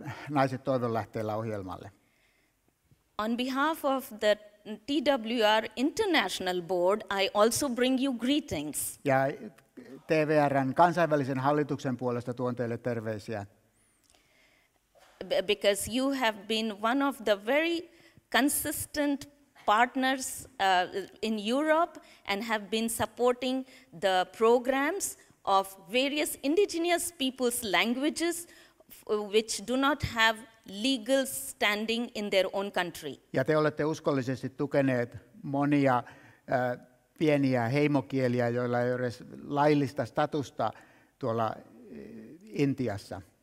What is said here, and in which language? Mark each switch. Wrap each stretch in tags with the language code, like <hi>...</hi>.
<fi>Naiset toivonlähteellä ohjelmalle.</fi> <en>On behalf of the TWR International Board, I also bring you greetings.</en> <fi>Ja TWR:n kansainvälisen hallituksen puolesta tuon teille terveisiä.</fi> <en>Because you have been one of the very consistent partners in Europe and have been supporting the programs of various indigenous peoples' languages which do not have legal standing in their own country.</en> <fi>Ja te olette uskollisesti tukeneet monia pieniä heimokieliä, joilla ei ole laillista statusta tuolla Intiassa.</fi>